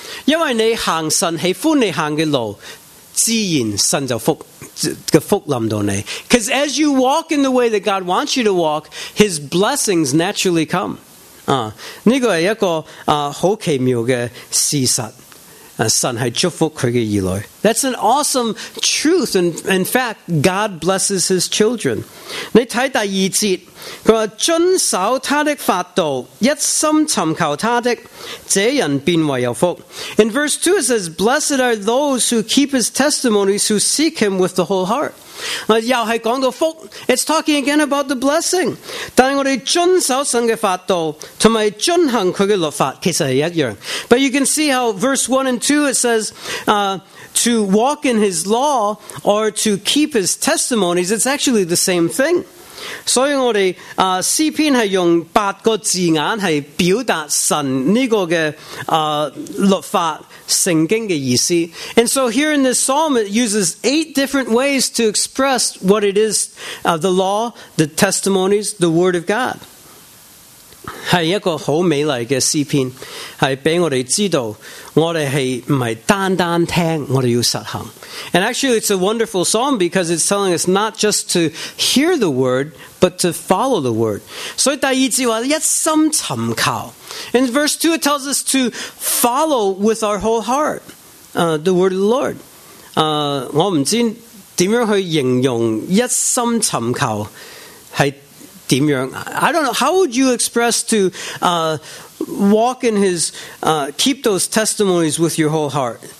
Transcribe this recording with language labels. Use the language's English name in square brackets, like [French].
[Chinese] 因为你行神喜欢你行的路，自然神就福的福临到你。 [English] Because as you walk in the way that God wants you to walk, His blessings naturally come. [Chinese] 这个是一个很奇妙的事实。神是祝福他的儿女。 [English] That's an awesome truth. And in fact, God blesses His children. [Chinese] 你看第二节，他说遵守他的法度，一心寻求他的，这人便为有福。 [English] In verse 2 it says, Blessed are those who keep His testimonies, who seek Him with the whole heart. [Chinese] 又是讲到福。 [English] It's talking again about the blessing. [Chinese] 但是我们遵守神的法度，还有遵行他的律法，其实是一样。 [English] But you can see how verse 1 and 2 it says, to walk in His law or to keep His testimonies, it's actually the same thing. [Chinese] 所以我们诗篇是用八个字眼是表达神这个的律法圣经的意思。 [English] And so here in this psalm, it uses eight different ways to express what it is, the law, the testimonies, the word of God. [Chinese] 是一个很美丽的诗篇，是给我们知道我们是不是单单听，我们要实行。 [English] And actually it's a wonderful psalm because it's telling us not just to hear the word, but to follow the word. [Chinese] 所以第二节说一心寻求。 [English] In verse 2 it tells us to follow with our whole heart, the word of the Lord. [Chinese] 我不知道怎样去形容一心寻求是 [English] I don't know, how would you express to walk in His, keep those testimonies with your whole heart?